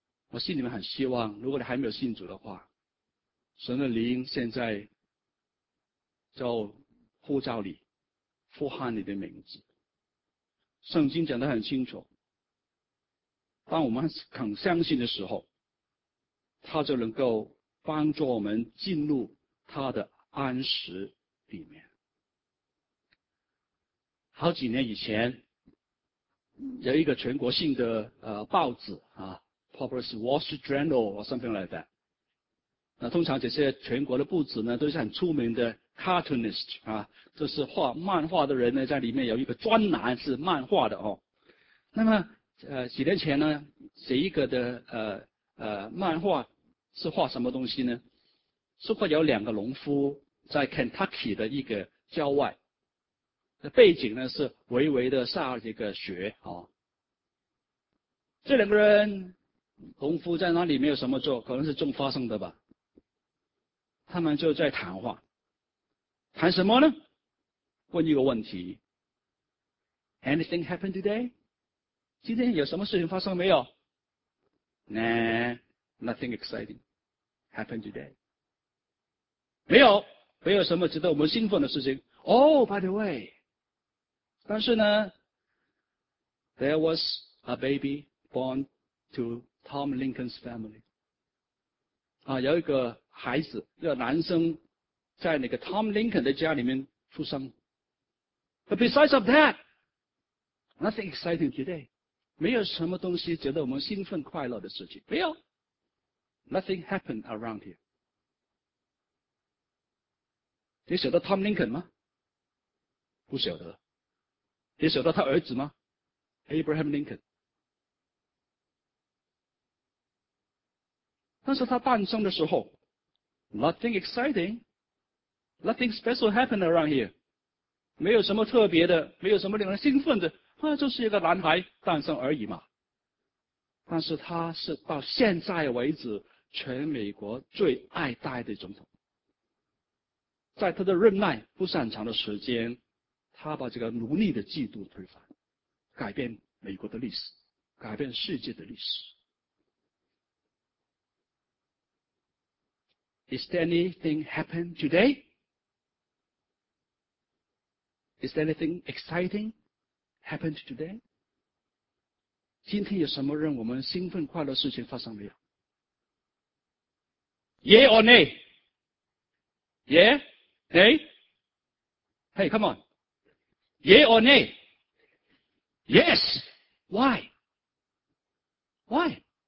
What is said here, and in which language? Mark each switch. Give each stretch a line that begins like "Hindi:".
Chinese: 我心里面很希望，如果你还没有信主的话，神的灵现在就呼召你，呼喊你的名字。圣经讲得很清楚，当我们肯相信的时候，他就能够帮助我们进入他的安息里面。好几年以前，有一个全国性的报纸啊 ，Popular Wall Street Journal
English: or something like that。
Chinese: 那通常这些全国的报纸呢，都是很出名的。Cartoonist 啊，就是画漫画的人呢，在里面有一个专栏是漫画的哦。那么几年前呢，写一个的漫画是画什么东西呢？是画有两个农夫在 Kentucky 的一个郊外，背景呢是微微的下这个雪哦。这两个人农夫在那里没有什么做，可能是种花生的吧。他们就在谈话。谈什么呢？问一个问题 ，
English: Anything happened today？
Chinese: 今天有什么事情发生没有 ？
English: Nah，nothing exciting happened today。
Chinese: 没有，没有什么值得我们兴奋的事情。
English: Oh, by the way，
Chinese: 但是呢
English: ，there was a baby born to Tom Lincoln's family。
Chinese: 啊，有一个孩子，一个男生。在那个 Tom Lincoln 的家里面出生。
English: But besides of that, nothing exciting today.
Chinese: 没有什么东西值得我们兴奋快乐的事情。没有。
English: Nothing happened around here.
Chinese: 你晓得 Tom Lincoln 吗？不晓得。你晓得他儿子吗？Abraham Lincoln。但是他诞生的时候 ,
English: nothing exciting. Nothing special happened around here.
Chinese: 没有什么特别的，没有什么令人兴奋的，就是一个男孩诞生而已嘛。但是他是到现在为止全美国最爱戴的总统。在他的任内不算长的时间，他把这个奴隶的制度推翻，改变美国的历史，改变世界的历史。
English: Is there anything happen today? Is there anything exciting happened today?
Chinese: 今天有什么让我们兴奋快乐的事情发生没有？
English: Yeah or nay? Yeah? Nay? Hey, come on. Yeah or nay? Yes! Why? Why?